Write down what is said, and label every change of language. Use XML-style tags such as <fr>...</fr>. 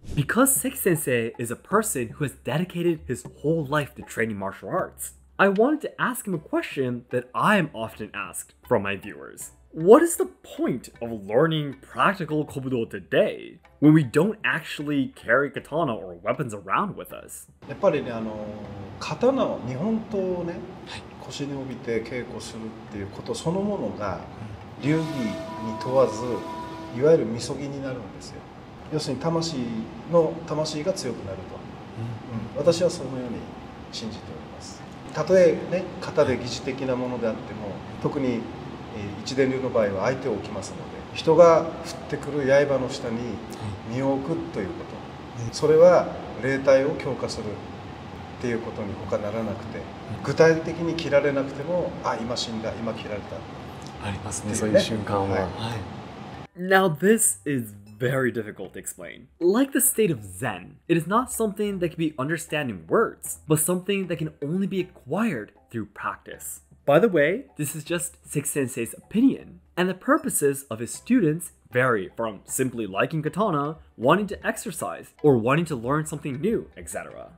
<en>Because Seki-sensei is a person who has dedicated his whole life to training martial arts, I wanted to ask him a question that I am often asked from my viewers. What is the point of learning practical kobudo today when we don't actually carry katana or weapons around with us?</en> <ja>やっぱりね、あの、刀を日本刀をね、腰に帯びて稽古するっていうことそのものが流儀に問わず、いわゆるみそぎになるんですよ。要するに魂が強くなると、うん、私はそのように信じております。たとえね、型で疑似的なものであっても、特に一伝流の場合は相手を置きますので、人が振ってくる刃の下に身を置くということ、それは霊体を強化するっていうことに他ならなくて、具体的に切られなくても、あ、今死んだ、今切られた。ありますね、そういう瞬間は。はい。</ja> <en>Now this is very difficult to explain. Like the state of Zen, it is not something that can be understood in words, but something that can only be acquired through practice. By the way, this is just Seki-sensei's opinion, and the purposes of his students vary from simply liking katana, wanting to exercise, or wanting to learn something new, etc.</en>